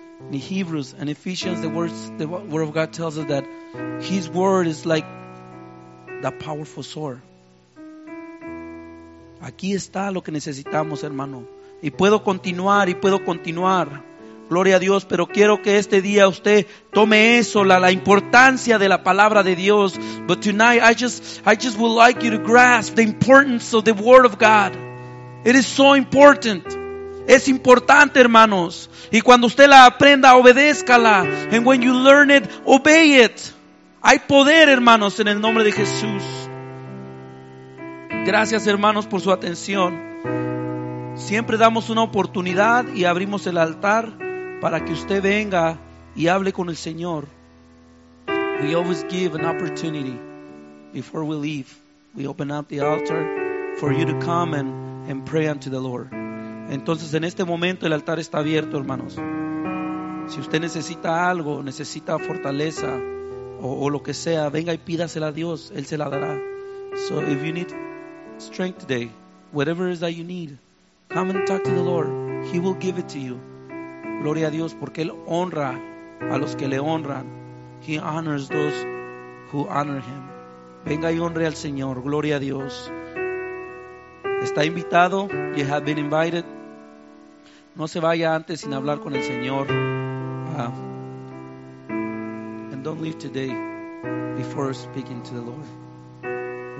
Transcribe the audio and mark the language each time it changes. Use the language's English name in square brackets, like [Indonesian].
[English] In Hebrews and Ephesians, the word of God tells us that His word is like the powerful sword. [Spanish] Aquí está lo que necesitamos, hermano. Y puedo continuar y puedo continuar. Gloria a Dios, pero quiero que este día usted tome eso, la importancia de la palabra de Dios. [English] But tonight I just would like you to grasp the importance of the word of God. It is so important. [Spanish] Es importante, hermanos. Y cuando usted la aprenda, obedézcala. [English] And when you learn it, obey it. [Spanish] Hay poder, hermanos, en el nombre de Jesús. Gracias, hermanos, por su atención. Siempre damos una oportunidad y abrimos el altar para que usted venga y hable con el Señor. [English] We always give an opportunity before we leave. We open up the altar for you to come and pray unto the Lord. [Spanish] Entonces en este momento el altar está abierto, hermanos. Si usted necesita algo, necesita fortaleza o lo que sea, venga y pídasela a Dios, Él se la dará. [English] So if you need strength today, whatever it is that you need, come and talk to the Lord. He will give it to you. [Spanish] Gloria a Dios, porque Él honra a los que le honran. [English] He honors those who honor Him. [Spanish] Venga y honre al Señor. Gloria a Dios. Está invitado. [English] You have been invited. [Spanish] No se vaya antes sin hablar con el Señor. [English] And don't leave today before speaking to the Lord.